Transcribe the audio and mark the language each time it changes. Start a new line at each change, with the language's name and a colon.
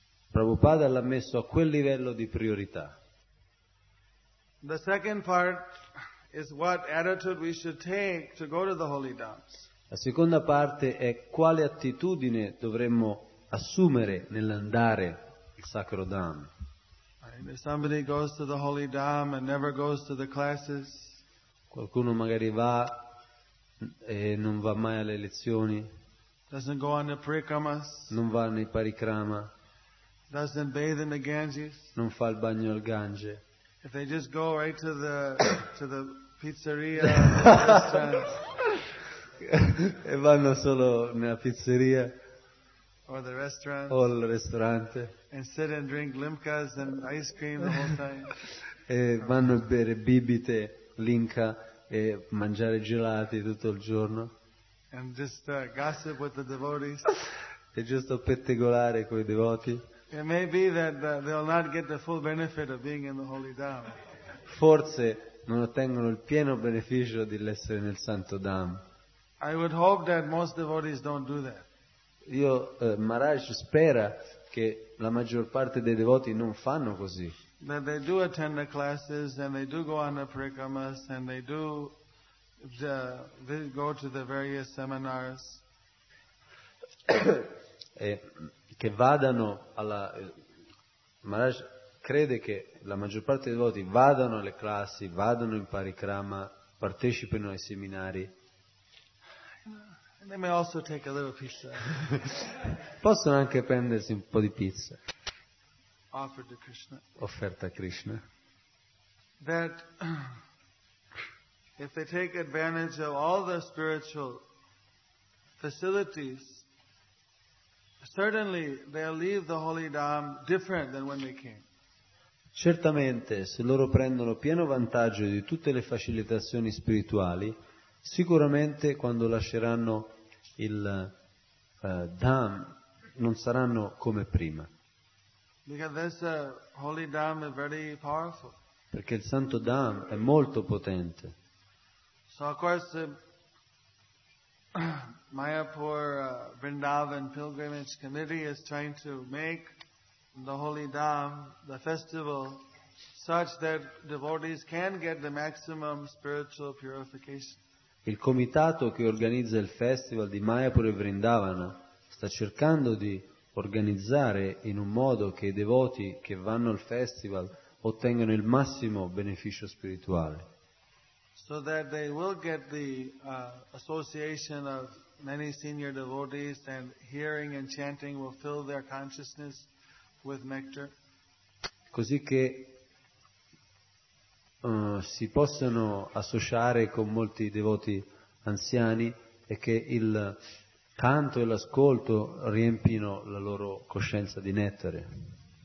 Italian: Prabhupada l'ha messo a quel livello di priorità.
English: The second part is what attitude we should take to go to the holy dams.
Italian: La seconda parte è quale attitudine dovremmo assumere nell'andare al Sacro Dham.
English: If somebody goes to the holy dham and never goes to the classes,
Italian: qualcuno magari va e non va mai alle lezioni,
English: doesn't go on the parikramas,
Italian: non va nei parikrama,
English: doesn't bathe in the Ganges,
Italian: non fa il bagno al Gange,
English: if they just go right to the pizzeria restaurant,
Italian: e vanno solo nella pizzeria
English: or the restaurant,
Italian: o al ristorante,
English: and sit and drink limkas and ice cream the whole time.
Italian: E vanno a bere bibite, limka, e mangiare gelati tutto il giorno.
English: And just gossip with the devotees.
Italian: E giusto pettegolare con i devoti.
English: It may be that they'll not get the full benefit of being in the holy dham.
Italian: Forse non ottengono il pieno beneficio di essere nel Santo Dham.
English: I would hope that most devotees don't do that.
Italian: Io, Maharaj, spera che la maggior parte dei devoti non fanno così.
English: That they do attend the classes and they do go on the parikramas and they do go to the various seminars.
Italian: Che vadano alla... Maharaj crede che la maggior parte dei devoti vadano alle classi, vadano in parikrama, partecipino ai seminari.
English: They may also take a little pizza.
Italian: Possono anche prendersi un po' di pizza.
English: Offered to Krishna.
Italian: Offerta a Krishna.
English: That if they take advantage of all the spiritual facilities, certainly they'll leave the holy dham different than when they came.
Italian: Certamente, se loro prendono pieno vantaggio di tutte le facilitazioni spirituali, sicuramente quando lasceranno il dham non saranno come prima.
English: Because this holy dham is very powerful.
Italian: Perché il Santo Dham è molto potente.
English: So of course Mayapur Vrindavan Pilgrimage Committee is trying to make the holy dham, the festival, such that devotees can get the maximum spiritual purification.
Italian: Il comitato che organizza il festival di Mayapur e Vrindavana sta cercando di organizzare in un modo che i devoti che vanno al festival ottengono il massimo beneficio spirituale.
English: So that they will get the association of many senior devotees, and hearing and chanting will fill their consciousness with nectar.
Italian: Così che si possano associare con molti devoti anziani e che il canto e l'ascolto riempino la loro coscienza di nettare.